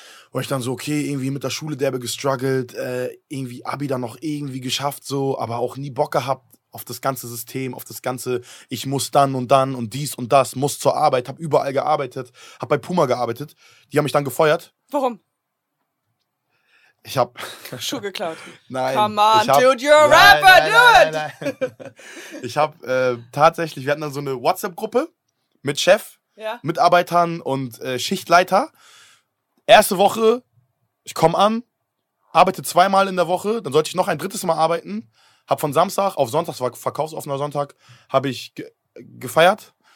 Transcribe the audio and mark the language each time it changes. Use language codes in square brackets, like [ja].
[de] Und ich dann so, okay, irgendwie mit der Schule derbe gestruggelt, irgendwie Abi dann noch irgendwie geschafft so, aber auch nie Bock gehabt auf das ganze System, auf das ganze, ich muss dann und dies und das, muss zur Arbeit, hab überall gearbeitet, hab bei Puma gearbeitet, die haben mich dann gefeuert. Warum? Ich hab Schuh geklaut. Nein. [en] Come on, dude, you're a rapper, dude! [de] Nein. Ich hab tatsächlich, wir hatten dann so eine WhatsApp-Gruppe mit Chef, Mitarbeitern und Schichtleiter. Erste Woche, ich komme an, arbeite 2-mal in der Woche, dann sollte ich noch ein 3. Mal arbeiten. Hab von Samstag auf Sonntag, es war verkaufsoffener Sonntag, habe ich gefeiert.